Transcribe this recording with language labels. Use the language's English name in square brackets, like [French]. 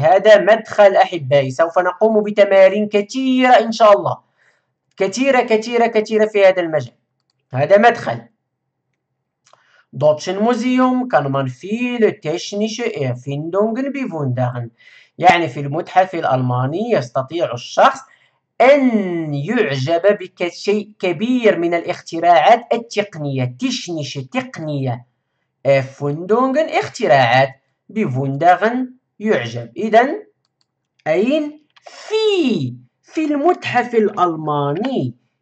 [Arabic] هذا مدخل أحبائي، سوف نقوم بتمارين كثيرة إن شاء الله، كثيرة كثيرة كثيرة في هذا المجال. هذا مدخل. [German] Deutsches Museum kann man viele technische Erfindungen bewundern. [Arabic] يعني في المتحف الألماني يستطيع الشخص أن يعجب بشيء كبير من الاختراعات التقنية. تشنيش تقنية، فوندونغن اختراعات، بفوندغن يعجب. إذن أين؟ في المتحف الألماني.